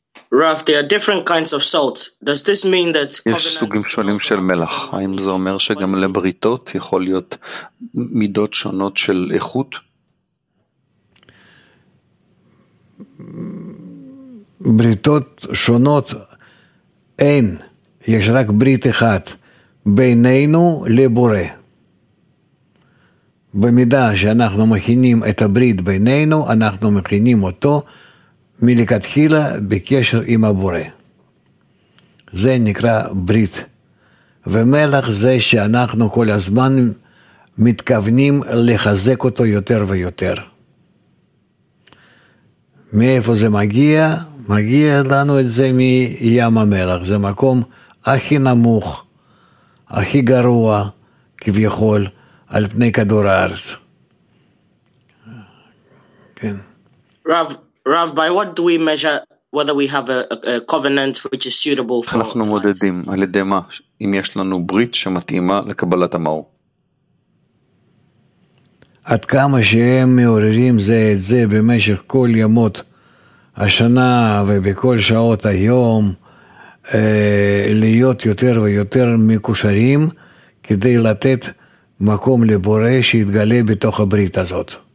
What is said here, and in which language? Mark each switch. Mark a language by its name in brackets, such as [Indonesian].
[English] Rav, there are different kinds of salt. Does this mean that covenants... [Hebrew] יש סוגים שונים של מלח. האם זה אומר שגם לבריתות יכול להיות מידות שונות של איכות? בריתות שונות אין. יש רק ברית אחת בינינו לבורא. במידה שאנחנו מכינים את הברית בינינו, אנחנו מכינים אותו מלכתחילה בקשר עם הבורא. זה נקרא ברית. ומלח זה שאנחנו כל הזמן מתכוונים לחזק אותו יותר ויותר. מאיפה זה מגיע? מגיע לנו את זה מים המלח. זה מקום הכי נמוך, הכי גרוע כביכול על פני כדור הארץ. כן. [English] Rav, by what do we measure whether we have a covenant which is suitable for [Hebrew] אנחנו מודדים על ידי מה אם יש לנו ברית שמתאימה לקבלת המאור? עד כמה שהם מעוררים זה את זה במשך כל ימות השנה ובכל שעות היום, להיות יותר ויותר מקושרים כדי לתת מקום לבורא שיתגלה בתוך הברית הזאת.